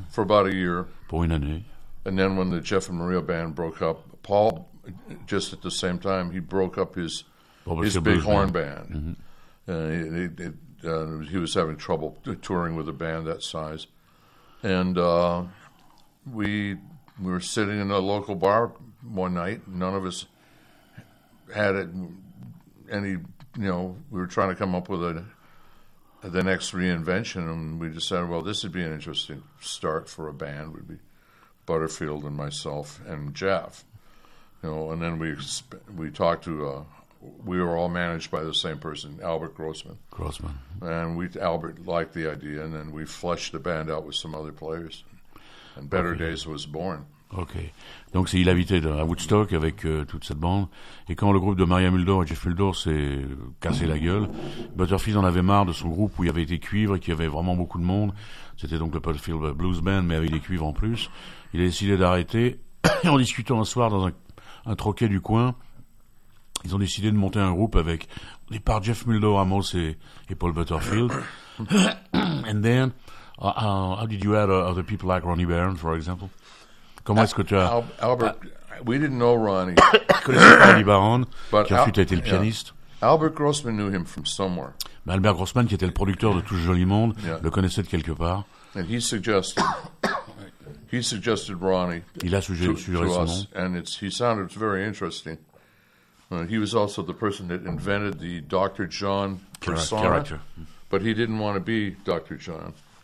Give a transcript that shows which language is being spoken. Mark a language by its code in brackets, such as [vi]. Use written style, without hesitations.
[en] For about a year. [fr] Pour une année. [en] And then when the Jeff and Maria band broke up, Paul, just at the same time, he broke up his. His big horn band. He was having trouble touring with a band that size. And we were sitting in a local bar one night. None of us had we were trying to come up with the next reinvention. And we decided, well, this would be an interesting start for a band. We'd be Butterfield and myself and Jeff. You know, and then we talked to... We were all managed by the same person, Albert Grossman. Grossman. And Albert liked the idea, and then we fleshed the band out with some other players. And Better Days was born. Ok. [fr] Donc il habitait à Woodstock avec toute cette bande. Et quand le groupe de Maria Muldaur et Jeff Muldaur s'est cassé la gueule, Butterfield en avait marre de son groupe où il y avait des cuivres et qu'il y avait vraiment beaucoup de monde. C'était donc le Butterfield Blues Band, mais avec des cuivres en plus. Il a décidé d'arrêter. En discutant un soir dans un troquet du coin, ils ont décidé de monter un groupe avec, au départ, Jeff Muldaur, Amos et Paul Butterfield. [en] And then, how did you add other people like Ronnie Barron, for example? [fr] Comment est-ce que tu as... [en] Albert, we didn't know Ronnie. [fr] Tu connaissais pas Ronnie Barron, qui ensuite a été le pianiste. [en] Yeah. Albert Grossman knew him from somewhere. [fr] Mais Albert Grossman, qui était le producteur de Tout ce joli monde, yeah, le connaissait de quelque part. [en] And he suggested... He suggested Ronnie. [fr] Il a suggéré [en] to us, and it's, he sounded very interesting. He was also the person that invented the Dr. John persona, character. But he didn't want to be Dr. John.